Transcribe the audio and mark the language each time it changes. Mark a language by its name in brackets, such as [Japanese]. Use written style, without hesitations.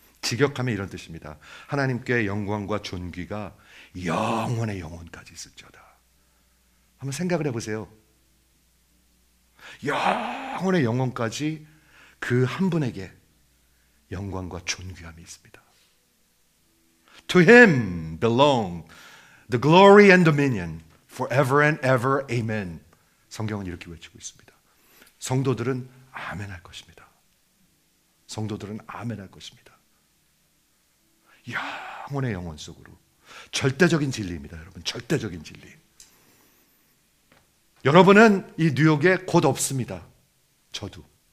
[Korean] 직역하면 이런 뜻입니다. 하나님께 영광과 존귀가 영원의 영원까지 있을지어다. 한번 생각을 해보세요. 영원의 영원까지 그 한 분에게 영광과 존귀함이 있습니다. [English] To him belong the glory and dominion forever and ever. Amen. [Korean] 성경은 이렇게 외치고 있습니다. 성도들은 아멘할 것입니다. 성도들은 아멘할 것입니다. 영원의 영원 속으로. 절대적인 진리입니다. 여러분 절대적인 진리. 여러분은 이 뉴욕에 곧 없습니다. 저도.